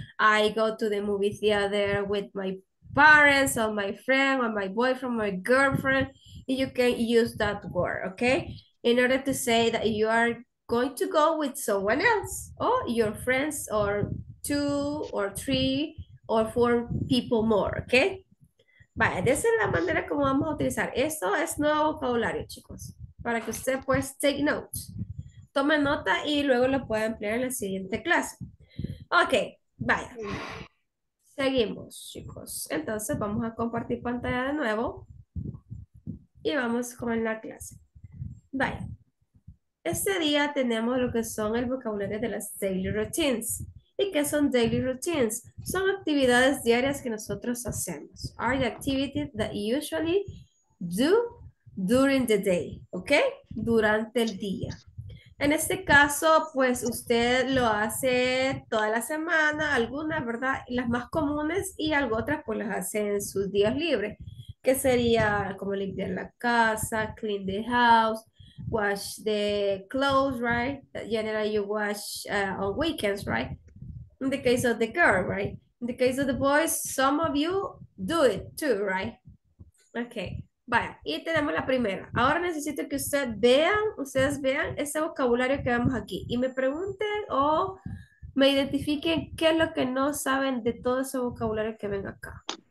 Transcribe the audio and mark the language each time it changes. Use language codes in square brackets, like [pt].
[en] I go to the movie theater with my parents or my friend or my boyfriend or my girlfriend. You can use that word, okay? In order to say that you are going to go with someone else or your friends or two or three or four people more, okay? [es] Vaya, esa es la manera como vamos a utilizar. Esto es nuevo vocabulario, chicos, para que usted pues [en] take notes. [es] Tome nota y luego lo puede emplear en la siguiente clase. Okay, vaya. Seguimos, chicos. Entonces vamos a compartir pantalla de nuevo y vamos con la clase. Bye. Este día tenemos lo que son el vocabulario de las daily routines. ¿Y qué son daily routines? Son actividades diarias que nosotros hacemos. [en] Are the activities that usually do during the day, ¿ok? [es] Durante el día. En este caso, pues usted lo hace toda la semana, algunas, ¿verdad? Las más comunes y algo otras, pues las hace en sus días libres, que sería como limpiar la casa, [en] clean the house, wash the clothes, right? Generally you wash on weekends, right? In the case of the girl, right? In the case of the boys, some of you do it too, right? [es] Okay. Vaya, y tenemos la primera. Ahora necesito que ustedes vean ese vocabulario que vemos aquí y me pregunten o me identifiquen qué es lo que no saben de todo ese vocabulario que ven acá.